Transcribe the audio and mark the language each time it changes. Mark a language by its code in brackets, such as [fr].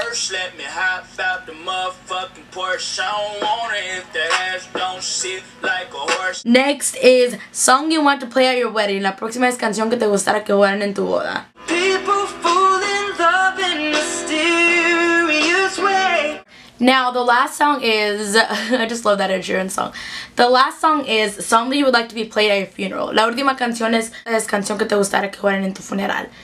[en] Let me hop out the motherfucking porch. I don't wanna if the ass don't sit like a horse. Next is song you want to play at your wedding. [es] La próxima es canción que te gustara que jugaran en tu boda. [en] People fall in love in mysterious way. Now the last song is I just love that Adrian song. The last song is song that you would like to be played at your funeral. [es] La última canción es canción que te gustara que jugaran en tu funeral.